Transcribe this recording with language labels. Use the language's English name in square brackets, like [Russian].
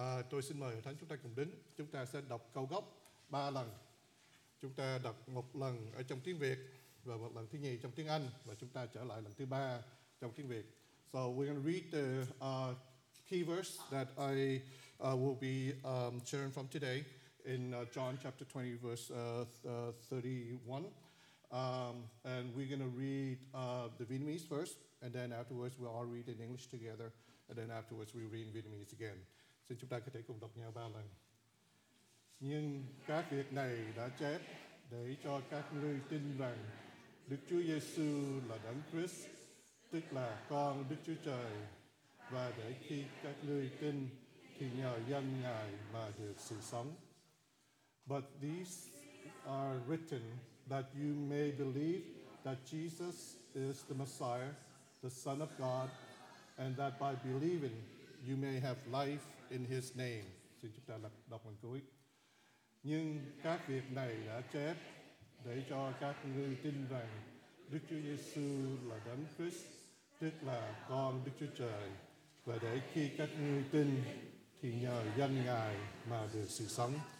[Vietnamese] Tôi xin mời Thánh chúng ta cùng đến, chúng ta sẽ đọc câu gốc 3 lần. Chúng ta đọc một lần ở trong tiếng Việt và một lần thứ nhì trong tiếng Anh và chúng ta trở lại lần thứ ba trong tiếng Việt. [English] So we're going to read the key verse that I will be sharing from today in John chapter 20 verse 31. And we're going to read the Vietnamese first, and then afterwards we'll all read in English together, and then afterwards we'll read in Vietnamese again. [Vietnamese] Xin chúng ta có thể cùng đọc nhau ba lần. Nhưng các việc này đã chép để cho các ngươi tin rằng Đức Chúa Giêsu là Đấng Christ, tức là Con Đức Chúa Trời, và để khi các ngươi tin thì nhờ danh Ngài mà được sự sống. [English] But these are written that you may believe that Jesus is the Messiah, the Son of God, and that by believing you may have life in His name. [Vietnamese] Xin chúng ta đọc lần cuối. Nhưng các việc này đã chép để cho các ngươi tin rằng Đức Chúa Giêsu là Đấng Christ, tức là Con Đức Chúa Trời, và để khi các ngươi tin thì nhờ danh Ngài mà được sự sống.